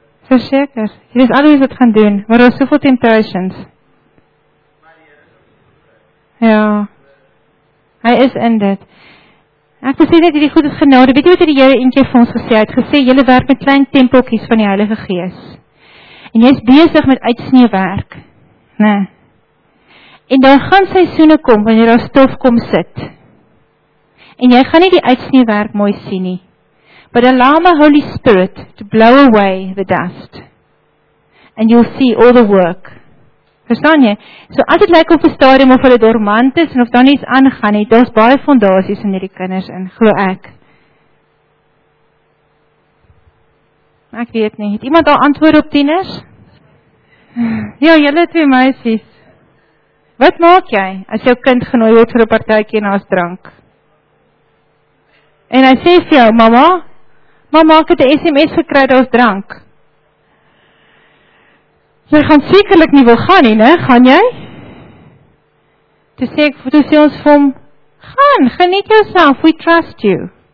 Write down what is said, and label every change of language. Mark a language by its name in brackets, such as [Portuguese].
[Afrikaans] Verseker, hier is alles wat gaan doen, maar daar is soveel temptations. Ja, hy is in dit. Ek wil sê dat hierdie goed is genade. Weet jy wat die Heere eentje vir ons gesê? Hy het gesê, jylle werk met klein tempelkies van die Heilige Gees. En jy is bezig met uitsneewerk. Nee. En daar gaan seisoene kom, wanneer daar stof kom sit. en jy gaan nie die uitsneewerk mooi sien nie. [English] But allow my Holy Spirit to blow away the dust. And you'll see all the work. [Afrikaans] Verstaan jy? So as het lyk op die stadium of hulle dormant is en of dan iets aangaan het, daar is baie fondasies in die kinders in, glo ek. Ek weet nie, het iemand al antwoord op tieners? Ja, julle twee meisies. Wat maak jy as jou kind genooi word vir 'n partytjie en as drank? En hy sê vir jou, mama, mama, ek het 'n SMS gekry dat ons drank. Jy gaan sekerlik nie wil gaan nie, ne? Gaan jy? Toe sê ons vir hom, gaan, geniet jouself, [English] we trust you.